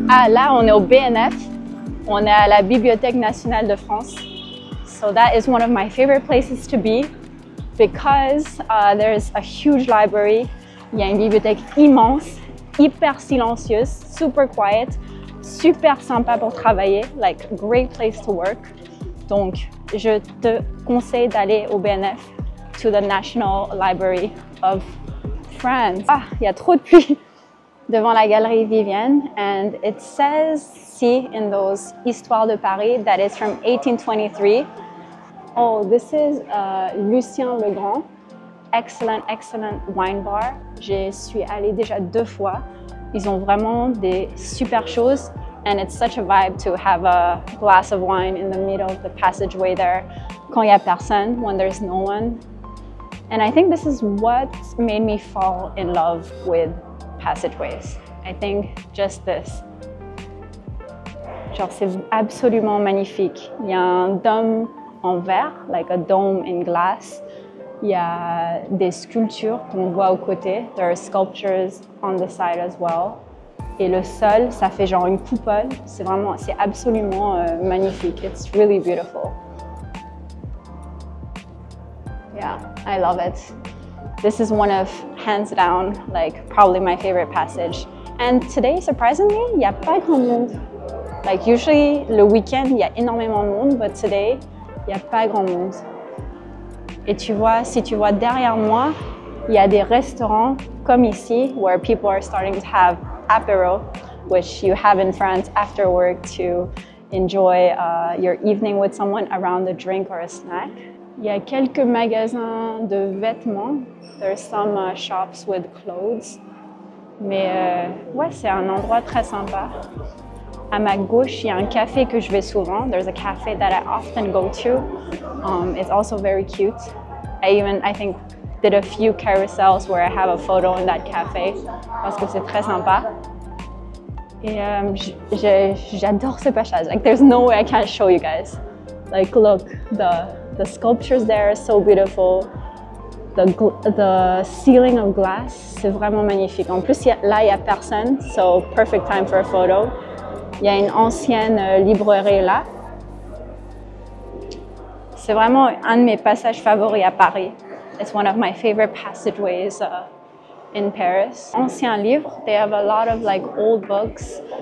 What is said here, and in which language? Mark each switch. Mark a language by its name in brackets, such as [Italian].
[French] Là on est au BNF, on est à la Bibliothèque Nationale de France. [English] So that is one of my favorite places to be, because there's a huge library. [French] Il y a une bibliothèque immense, hyper silencieuse, [English] super quiet, [French] super sympa pour travailler, [English] like great place to work. [French] Donc, je te conseille d'aller au BNF, [English] to the National Library of France. [French] Ah, il y a trop de pluie devant [English] la Galerie Vivienne, and it says, see in those Histoires de Paris, that it's from 1823. Oh, this is Lucien Le Grand. Excellent, excellent wine bar. [French] J'y suis allée déjà deux fois. Ils ont vraiment des super choses. [English] And it's such a vibe to have a glass of wine in the middle of the passageway there. [French] Quand il n'y a personne, [English] when there's no one. And I think this is what made me fall in love with passageways. I think just this. [French] Genre, c'est absolument magnifique. Il y a un dôme en verre, [English] like a dome in glass. [French] Il y a des sculptures qu'on voit aux côtés. [English] There are sculptures on the side as well. [French] Et le sol, ça fait genre une coupole. C'est vraiment, c'est absolument magnifique. [English] It's really beautiful. Yeah, I love it. This is one of, hands down, like probably my favorite passage. And today, surprisingly, [French] il n'y a pas grand monde. [English] Like usually, [French] le week-end, il y a énormément de monde, [English] but today, [French] il n'y a pas grand monde. Et tu vois, si tu vois derrière moi, il y a des restaurants comme ici, [English] where people are starting to have apéro, which you have in France after work to enjoy your evening with someone around a drink or a snack. [French] Il y a quelques magasins de vêtements. [English] There are some shops with clothes. [French] Mais ouais, c'est un endroit très sympa. À ma gauche, il y a un café que je vais souvent. [English] There's a cafe that I often go to. It's also very cute. I think did a few carousels where I have a photo in that cafe [French] parce que c'est très sympa. Et j'adore ce passage. [English] Like there's no way I can't show you guys. Like look, the sculptures there are so beautiful. The ceiling of glass, [French] c'est vraiment magnifique. En plus, là, il n'y a personne, [English] so perfect time for a photo. [French] Il y a une ancienne librairie là. C'est vraiment un de mes passages favoris à Paris. [English] It's one of my favorite passageways in Paris. [French] Ancien livre, [English] they have a lot of like old books.